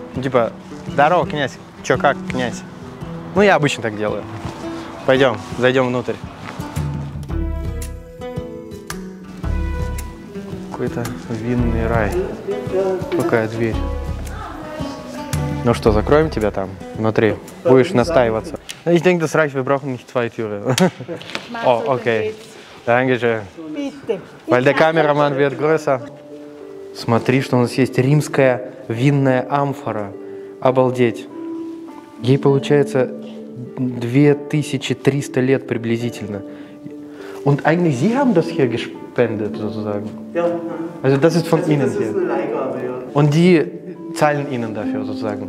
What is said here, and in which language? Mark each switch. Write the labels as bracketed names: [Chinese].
[Russian] Типа «здорово, князь». «Чё, как, князь?» Ну, я обычно так делаю. Пойдем, зайдем внутрь. Какой-то винный рай. Какая дверь. Ну что, закроем тебя там внутри? Будешь настаиваться. [German] Ich denke, das reicht. Wir brauchen nicht zwei Türen. Oh, okay. Dankeschön. Weil der Kameramann wird größer. [Russian] Смотри, что у нас есть. Римская винная амфора. Обалдеть. Ей получается 2300 лет приблизительно. [German] Und eigentlich, Sie haben das hier gespendet, sozusagen. Also das ist von also, Ihnen hier. Und die zahlen Ihnen dafür, sozusagen.